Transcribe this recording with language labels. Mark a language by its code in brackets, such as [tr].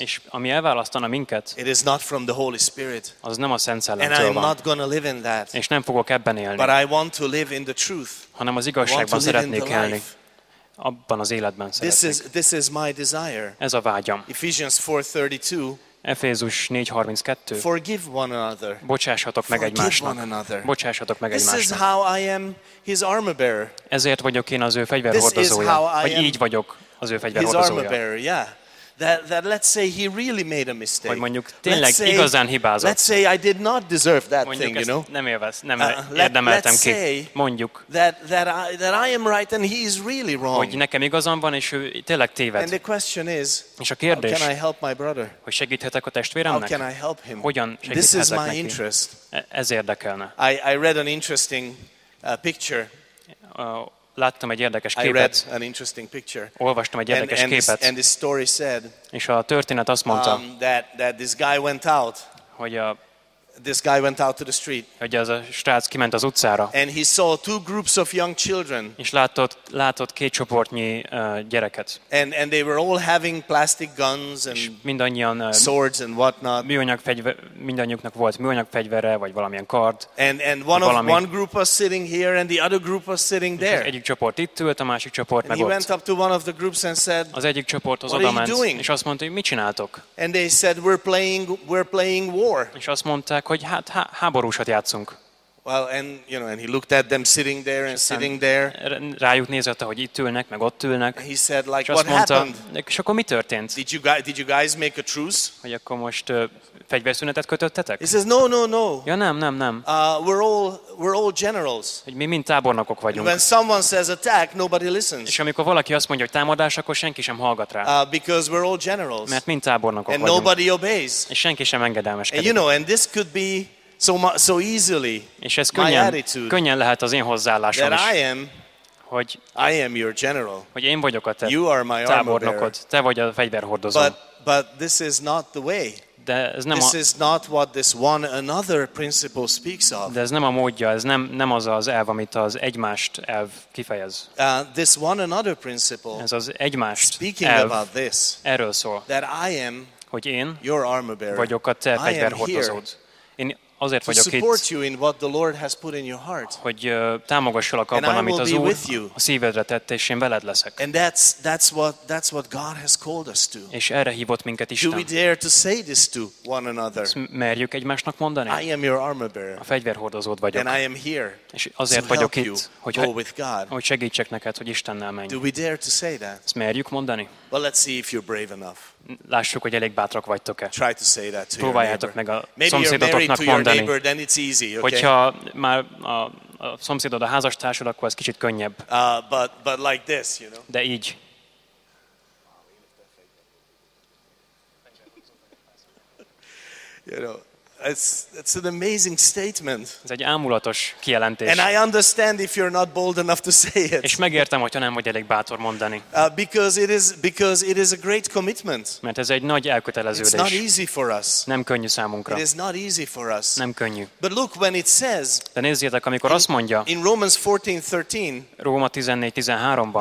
[hu] És ami elválasztana minket? [en] It is not from the Holy Spirit. [hu] Az nem a Szent Szellemtől. [en] And I'm not going to live in that. [hu] És nem fogok ebben élni. [en] But I want to live in the truth. [hu] Hanem az igazságban szeretnék élni. Abban az életben szeretnék. [en] This is my desire. [hu] Ez a vágyam. [en] Ephesians 4:32. [hu] Efézus 4:32. [en] Forgive one another. [hu] Bocsássatok meg egymásnak. Bocsássatok meg egymásnak. [en] This is how I am his armor bearer. [hu] Ezért vagyok én az ő fegyverhordozója. Vagy így vagyok az ő fegyverhordozója. [en] His armor bearer, yeah. That let's say he really made a mistake. [hu] Vagy mondjuk tényleg igazán hibázott. [en] Let's say I did not deserve that thing, you know. [hu] Nem élvez, nem érdemeltem ki. Mondjuk. [en] That I am right and he is really wrong. [hu] Hogy nekem igazam van és ő tényleg téved. [en] And the question is, [hu] és a kérdés, [en] how can I help my brother? [hu] Hogy segíthetek a testvéremnek? [en] How can I help him? [hu] Hogyan segíthetek neki? [en] This is my interest. [hu] Ez érdekelne. [en] I read an interesting picture. [hu] Láttam egy érdekes képet. [en] An interesting picture. [hu] Olvastam egy érdekes képet. [en] And this story said, [hu] és a történet azt mondta, [en] that this guy went out. [hu] Hogy a [en] this guy went out to the street. [hu] Hogy az a srác kiment az utcára. [en] And he saw two groups of young children. [hu] És látott két csoportnyi gyereket. [en] And they were all having plastic guns and [hu] mindannyian [en] swords and whatnot. [hu] Mindannyiuknak volt műanyagfegyvere vagy valamilyen kard. [en] And one group was sitting here and the other group was sitting there. [hu] És egyik csoport itt ült, a másik csoport meg ott. [en] He went up to one of the groups and said, [hu] az egyik csoporthoz odament, és azt mondta, hogy mit csináltok? [en] And they said, we're playing war. [hu] És azt mondta, hogy hát háborúsat játszunk. [en] Well, and you know, and he looked at them sitting there and sitting there. [hu] Rájuk nézett, hogy itt ülnek, meg ott ülnek. [en] He said, like, what [hu] mondta, [en] happened? [hu] És akkor mi történt? [en] Did you guys make a truce? [hu] Hogy akkor most fegyverszünetet kötöttetek? [en] He says, no. [hu] Ja, nem. [en] We're all generals. [hu] Hogy mi mind tábornokok vagyunk. [en] When someone says attack, nobody listens. [hu] És amikor valaki azt mondja, hogy támadás, akkor senki sem hallgat rá. [en] Because we're all generals. [hu] Mert mind tábornokok [en] and [hu] vagyunk. [en] And nobody obeys. [hu] És senki sem engedelmeskedik. [en] And you know, and this could be so easily. [hu] És ez könnyen lehet az én hozzáállásom is. Hogy [en] I am your general. [hu] Hogy én vagyok a te tábornokod. Te vagy a fegyverhordozó. [en] But this is not the way. [hu] De ez nem [en] this is not what this one another principle speaks of. [hu] De ez nem a módja, ez nem az az elv, amit az egymást elv kifejez. [en] This one another principle. [hu] Ez az egymást [en] speaking [hu] elv [en] about this. [hu] Erről szól. [en] That I am [hu] hogy én [en] your armor bearer. [hu] Vagyok a te fegyverhordozód. Én azért vagyok itt. [en] To support you in what the Lord has put in your heart. [hu] Hogy támogassalak abban, amit az Úr a szívedre tett, és én veled leszek. [en] And that's what God has called us to. [hu] És erre hívott minket Isten. [en] Do we dare to say this to one another? [hu] Merjük egymásnak mondani? [en] I am your armor bearer. [hu] A fegyverhordozód vagyok. [en] And I am here. [hu] És azért vagyok itt, hogy [en] go with God. [hu] Hogy segítsek neked, hogy Istennel menj. [en] Do we dare to say that? [hu] Ezt merjük mondani? [en] Well, let's see if you're brave enough. [hu] Lássuk, hogy elég bátrak vagytok-e. [en] Try to say that to [hu] próbáljátok meg a szomszédotoknak mondani. [en] Neighbor, then it's easy, okay? [hu] Hogyha már a szomszédod a házastársad, akkor ez kicsit könnyebb. [en] But like this, you know? [hu] De így. [en] You know, it's an amazing statement. [hu] Ez egy ámulatos kijelentés. [en] And I understand if you're not bold enough to say it. [hu] És megértem, hogyha nem vagy elég bátor mondani. [en] Because it is a great commitment. [hu] Mert ez egy nagy elköteleződés. [en] It's not easy for us. [hu] Nem könnyű számunkra. [en] It is not easy for us. [hu] Nem könnyű. [en] But look when it says. [hu] De nézzétek, amikor azt mondja. [en] In Romans 14:13. [hu] Róma 14:13-ban.